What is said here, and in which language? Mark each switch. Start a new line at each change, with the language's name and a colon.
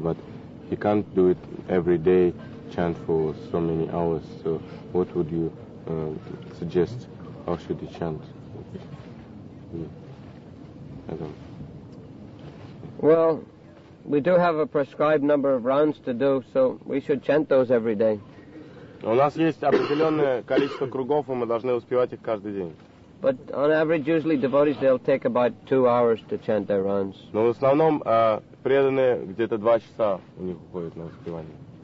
English: But he can't do it every day, chant for so many hours. So what would you suggest? How should he chant? Well, we do have a prescribed number of rounds to do, so we should chant those every day.
Russian: У нас есть определенное количество кругов, и мы должны успевать их каждый день.
English: But on average, usually devotees they'll take about 2 hours to chant their rounds.
Russian: Но в основном преданные где-то 2 часа у них уходит на успевание.